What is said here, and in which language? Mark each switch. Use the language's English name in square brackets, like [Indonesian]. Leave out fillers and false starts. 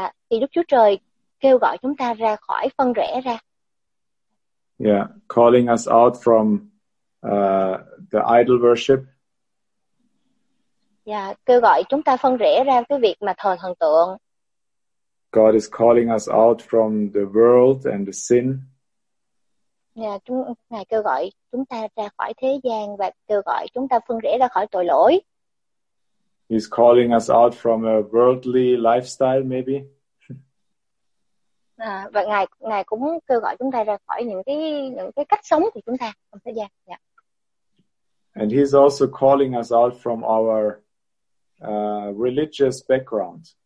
[Vietnamese] Thì Đức Chúa Trời kêu gọi chúng ta ra khỏi phân rẽ ra. [English] Calling us out from the idol worship. [Vietnamese] Kêu gọi chúng ta phân rẽ ra cái việc mà thờ thần tượng. [English] God is calling us out from the world and the sin. [Vietnamese] Ngài kêu gọi chúng ta ra khỏi thế gian và kêu gọi chúng ta phân rẽ ra khỏi tội lỗi. [English] He's calling us out from a worldly lifestyle, maybe. [Vietnamese] Và ngài cũng kêu gọi chúng ta ra khỏi những cái cách sống của chúng ta trong thế gian. [English] And he's also calling us out from our religious background.